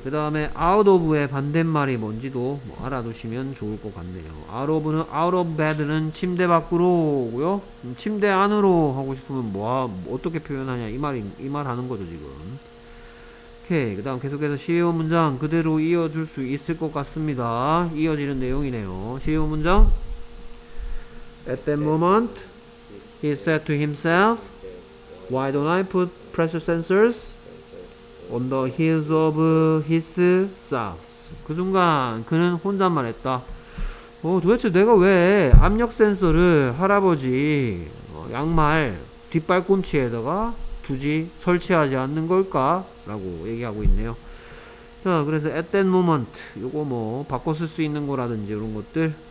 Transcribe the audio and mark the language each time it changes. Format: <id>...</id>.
<ko>그 다음에 out of의 반대말이 뭔지도 뭐 알아두시면 좋을 것 같네요. out of는</ko> <en>out of bed</en> <ko>는 침대 밖으로고요. 침대 안으로 하고 싶으면 뭐 어떻게 표현하냐 이 말 하는 거죠 지금. 오케이. 그 다음 계속해서 시의원 문장 그대로 이어줄 수 있을 것 같습니다. 이어지는 내용이네요. 시의원 문장</ko> <en>at that moment he said to himself why don't I put pressure sensors on the heels of his socks.</en> <ko>그 순간 그는 혼잣말 했다. 도대체 내가 왜 압력 센서를 할아버지 양말 뒷발꿈치에다가 두지 설치하지 않는 걸까? 라고 얘기하고 있네요. 자, 그래서</ko> <en>at that moment</en> <ko>요거 뭐 바꿔 쓸 수 있는 거라든지 이런 것들.</ko>